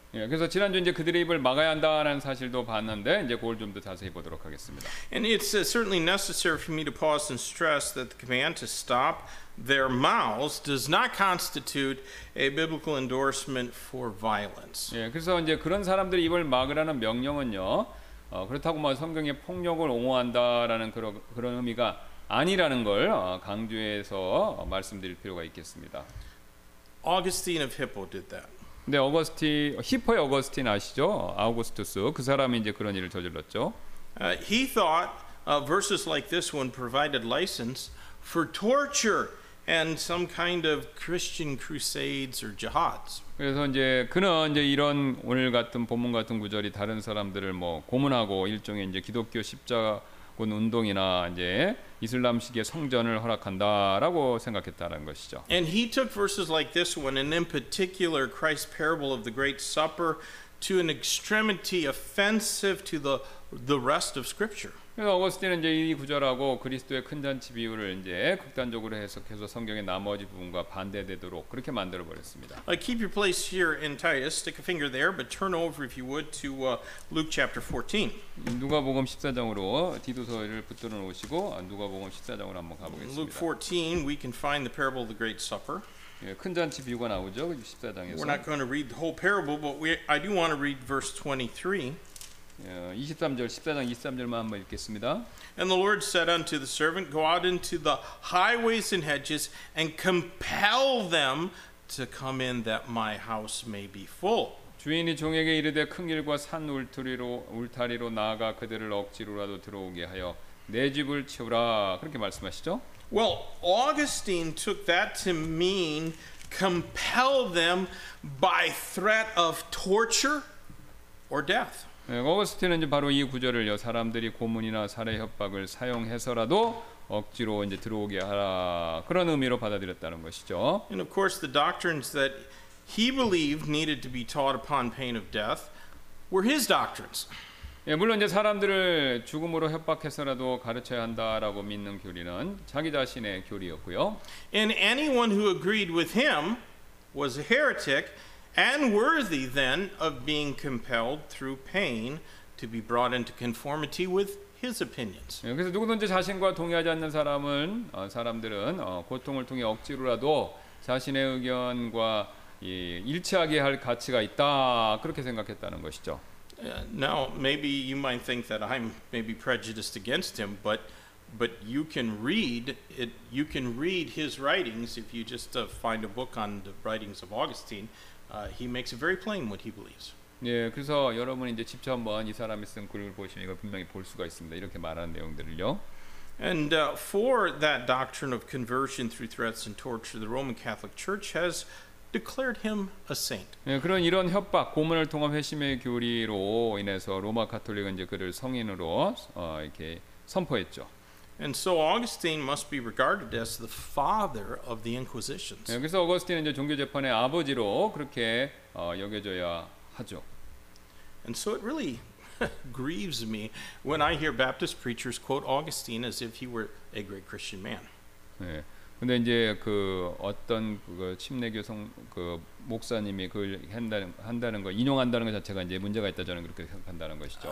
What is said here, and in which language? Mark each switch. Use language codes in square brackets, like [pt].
[ko] 예, 그래서 지난주 이제 그들의 입을 막아야 한다는 사실도 봤는데 이제 그걸 좀 더 자세히 보도록 하겠습니다. [en] And it's certainly necessary for me to pause and stress that the command to stop their mouths does not constitute a biblical endorsement for violence. [ko] 예, 그래서 이제 그런 사람들의 입을 막으라는 명령은요, 그렇다고 뭐 성경의 폭력을 옹호한다라는 그런 의미가 아니라는 걸 강조해서 말씀드릴 필요가 있겠습니다. [en] Augustine of Hippo did that. [ko] 근데 히퍼의 어거스틴 아시죠? 아우구스투스 그 사람이 이제 그런 일을 저질렀죠. [en] He thought verses like this one provided license for torture and some kind of Christian crusades or jihads. [ko] 그래서 이제 그는 이제 이런 오늘 같은 본문 같은 구절이 다른 사람들을 뭐 고문하고 일종의 이제 기독교 십자군 운동이나 이제 이슬람 시기의 성전을 허락한다라고 생각했다는 것이죠. [en] And he took verses like this one and in particular Christ's parable of the great supper to an extremity offensive to the rest of scripture. [ko] 그래서 어거스틴은 이제 이 구절하고 그리스도의 큰 잔치 비유를 이제 극단적으로 해석해서 성경의 나머지 부분과 반대되도록 그렇게 만들어 버렸습니다. [en] Keep your place here in Titus. Stick a finger there, but turn over if you would to Luke chapter 14. [ko] 누가복음 14장으로 디도서를 붙들어 놓으시고 누가복음 14장으로 한번 가보겠습니다. [en] Luke 14, we can find the parable of the great supper. [ko] 예, 큰 잔치 비유가 나오죠. 14장에서. [en] We're not going to read the whole parable, but I do want to read verse 23. [ko] 23절 14장 23절만 한번 읽겠습니다. [en] And the Lord said unto the servant, Go out into the highways and hedges and compel them to come in that my house may be full. [ko] 주인이 종에게 이르되 큰 길과 산 울타리로 나아가 그들을 억지로라도 들어오게 하여 내 집을 채우라 그렇게 말씀하시죠. [en] Well, Augustine took that to mean compel them by threat of torture or death. [ko] 네, 어거스틴은 이제 바로 이 구절을요 사람들이 고문이나 살해 협박을 사용해서라도 억지로 이제 들어오게 하라 그런 의미로 받아들였다는 것이죠. [en] And of course, the doctrines that he believed needed to be taught upon pain of death were his doctrines. [ko] 예, 물론 이제 사람들을 죽음으로 협박해서라도 가르쳐야 한다라고 믿는 교리는 자기 자신의 교리였고요. [en] And anyone who agreed with him was a heretic. And worthy then of being compelled through pain to be brought into conformity with his opinions. [ko] 그래서 누구든지 자신과 동의하지 않는 사람은 사람들은 고통을 통해 억지로라도 자신의 의견과 일치하게 할 가치가 있다 그렇게 생각했다는 것이죠. [en] Now maybe you might think that I'm maybe prejudiced against him, but you can read it. You can read his writings if you just find a book on the writings of Augustine. He makes it very plain what he believes. [ko] 예, 그래서 여러분 이제 직접 한번 이 사람이 쓴 글을 보시면 이걸 분명히 볼 수가 있습니다. 이렇게 말하는 내용들을요. [en] And for that doctrine of conversion through threats and torture, the Roman Catholic Church has declared him a saint. [ko] 예, 그런 이런 협박, 고문을 통한 회심의 교리로 인해서 로마 가톨릭은 이제 그를 성인으로 이렇게 선포했죠. [en] And so Augustine must be regarded as the father of the Inquisitions. [ko] 예, 그래서 어거스틴은 이제 종교 재판의 아버지로 그렇게 여겨져야 하죠. [en] And so it really grieves me when I hear Baptist preachers quote Augustine as if he were a great Christian man. [ko] 네. 근데 이제 그 어떤 그 침례교 성 그 목사님이 그걸 한다는 거 인용한다는 것 자체가 이제 문제가 있다 저는 그렇게 생각한다는 것이죠.